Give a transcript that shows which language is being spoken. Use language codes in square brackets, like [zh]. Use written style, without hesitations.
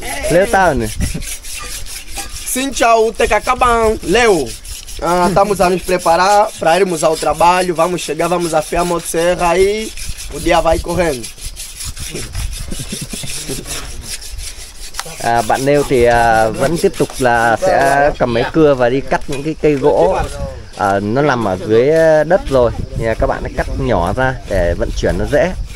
[vi] Leo tao nè. Xin chào tất cả các bạn, Leo. [pt] Estamos a nos preparar para irmos ao trabalho. Vamos chegar, vamos afiar a motosserra e o dia vai correndo. [vi] Bạn Leo thì vẫn tiếp tục là sẽ cầm mấy cưa và đi cắt những cái cây gỗ nó nằm ở dưới đất rồi. Thì các bạn hãy cắt nhỏ ra để vận chuyển nó dễ.